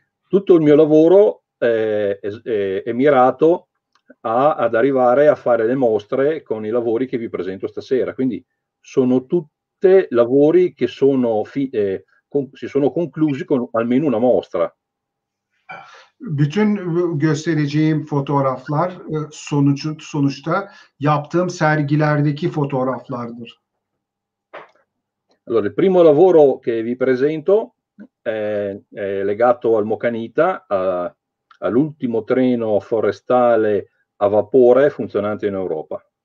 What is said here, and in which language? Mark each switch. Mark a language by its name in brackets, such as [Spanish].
[Italian] Tutto il mio lavoro è mirato ad arrivare a fare le mostre con i lavori che vi presento stasera. Quindi sono tutte lavori che sono si sono conclusi con almeno una mostra. [Turkish] Bütün göstereceğim fotoğraflar sonuçta yaptığım sergilerdeki fotoğraflardır. [Italian] Allora, il primo lavoro che vi presento è legato al Mocanita, all'ultimo treno forestale a vapore funzionante in Europa.